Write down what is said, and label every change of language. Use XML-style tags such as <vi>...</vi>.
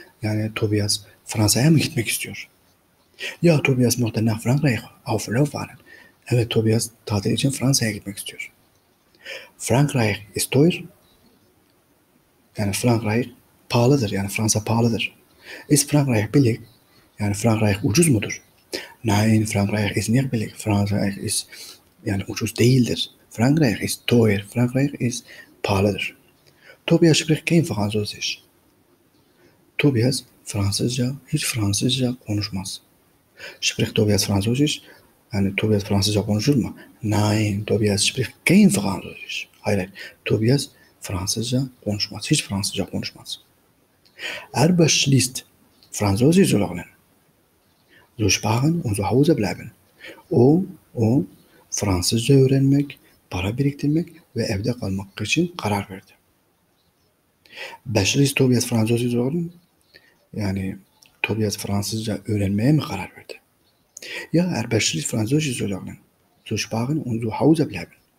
<tr>Yani Tobias Fransa'ya mı gitmek istiyor?</tr> <de>Ja, Tobias möchte nach Frankreich auf Urlaub fahren.</de> <tr>Evet, Tobias tatil için Fransa'ya gitmek istiyor.</tr> <de>Frankreich ist teuer.</de> <tr>Yani Frankreich pahalıdır. Yani Fransa pahalıdır.</tr> <de>Ist Frankreich billig?</de> <tr>Yani Frankreich ucuz mudur?</tr> <de>Nein, Frankreich ist nicht billig.</de> <tr>Frankreich ist yani ucuz değildir.</tr> <de>Frankreich ist teuer. Frankreich ist</de> <tr>pahalıdır.</tr> <de>Tobias spricht kein Französisch.</de> <tr>Tobias Fransızca, hiç Fransızca konuşmaz.</tr> <de>Spricht Tobias Französisch?</de> <tr>Yani Tobias Fransızca konuşur mu?</tr> <de>Nein, Tobias spricht kein Französisch.</de> <tr>Hayır, Tobias Fransızca konuşmaz. Hiç Fransızca konuşmaz.</tr> <de>Er beschließt, Französisch zu lernen. Zu sparen und zu Hause bleiben.</de> <tr>O Fransızca öğrenmek, para biriktirmek ve evde kalmak için karar verdi.</tr> <de>Beschließt Tobias Französisch zu lernen?</de> <tr>Yani Tobias Fransızca öğrenmeye mi karar verdi?</tr> <de>Ja, er beschließt Französisch zu lernen, zu sparen und zu Hause bleiben.</de>